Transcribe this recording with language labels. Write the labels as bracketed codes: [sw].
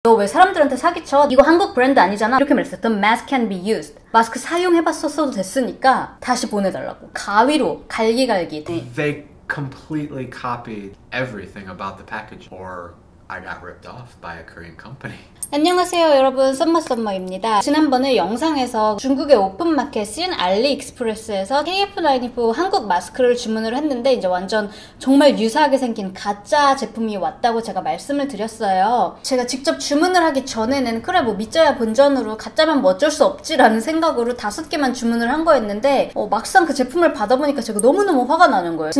[ko] 너 왜 사람들한테 사기쳐? 이거 한국 브랜드 아니잖아? 이렇게 말했어요. [en] The mask can be used. [ko] 마스크 사용해봤었어도 됐으니까 다시 보내달라고. 가위로 갈기갈기. [en] They completely copied everything about the package or I got ripped off by a Korean company. [ko] 안녕하세요 여러분, 썸머입니다. 지난번에 영상에서 중국의 오픈마켓인 알리익스프레스에서 KF94 한국 마스크를 주문을 했는데 이제 완전 정말 유사하게 생긴 가짜 제품이 왔다고 제가 말씀을 드렸어요. 제가 직접 주문을 하기 전에는 그래 뭐 믿자야 본전으로 가짜면 뭐 어쩔 수 없지라는 생각으로 다섯 개만 주문을 한 거였는데 막상 그 제품을 받아보니까 제가 너무너무 화가 나는 거예요.